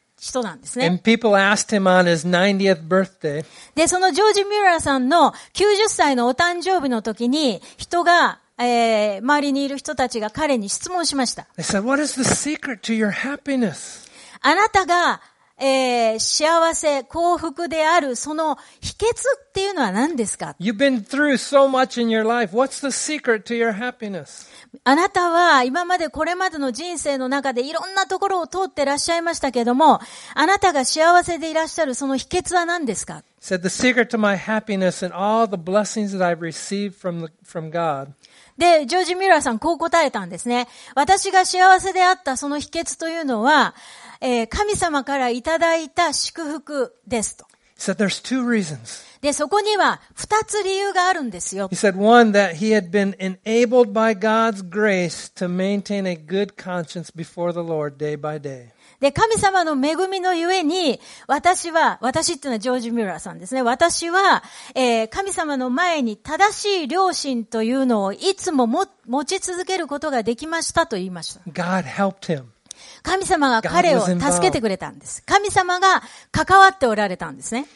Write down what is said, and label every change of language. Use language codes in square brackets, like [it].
[ja] 人なんですね。 [en] And people asked him on his 90th birthday. [ja] で、そのジョージ・ミュラーさんの90歳のお誕生日の時に、人が、周りにいる人たちが彼に質問しました。 [en] They said, "What is the secret to your happiness?" [ja] あなたが、幸せ、幸福であるその秘訣っていうのは何ですか [en] ?You've been through so much in your life. What's the secret to your happiness? [ja] あなたは今までこれまでの人生の中でいろんなところを通ってらっしゃいましたけれども、あなたが幸せでいらっしゃるその秘訣は何ですか？ [en] Said the secret to my happiness and all the blessings that I've received from God. [ja] で、ジョージ・ミュラーさんこう答えたんですね。私が幸せであったその秘訣というのは、神様からいただいた祝福ですと。 [en] Said there's two reasons. [ja] で、そこには二つ理由があるんですよ。 [en] He said one, that he had been enabled by God's grace to maintain a good conscience before the Lord day by day. [ja] で、神様の恵みのゆえに、私っていうのはジョージ・ミューラーさんですね。私は、神様の前に正しい良心というのをいつも持ち続けることができましたと言いました。 [en] God helped him. [ja] 神様が彼を助けてくれたんです。神様が関わっておられたんですね。